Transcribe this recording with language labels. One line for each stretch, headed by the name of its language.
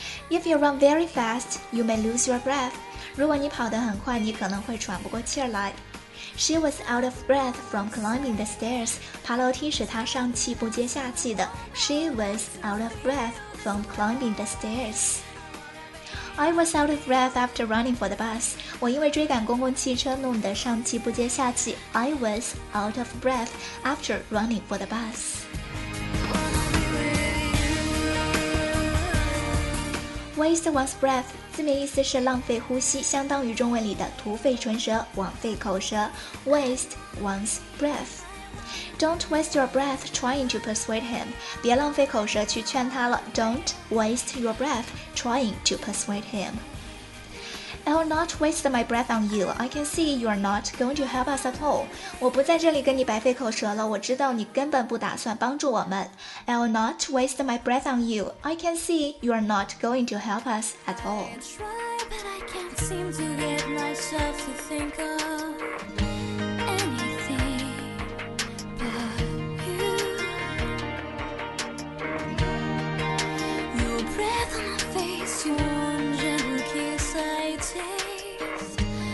English: If you run very fast, you may lose your breath.
Chinese: 如果你跑得很快，你可能会喘不过气来。
English: She was out of breath from climbing the stairs.
Chinese: 爬楼梯使她上气不接下气的。
English: She was out of breath from climbing the stairs. I was out of breath after running for the bus.
Chinese: 我因为追赶公共汽车弄得上气不接下气。
English: I was out of breath after running for the bus.
Chinese: 我
English: waste one's breath
Chinese: 字面意思是浪费呼吸，相当于中文里的徒费唇舌，枉费口舌。
English: waste one's breath. Don't waste your breath trying to persuade him.
Chinese: 别浪费口舌去劝他了。
English: Don't waste your breath trying to persuade him. I'll not waste my breath on you. I can see you're not going to help us at all.
Chinese: 我不在这里跟你白费口舌了，我知道你根本不打算帮助我们。
English: I'll not waste my breath on you. I can see you're not going to help us at all. I try, but I can't seem to get myself to think of anything but you. Your breath on my face, your warm gentle kiss I take.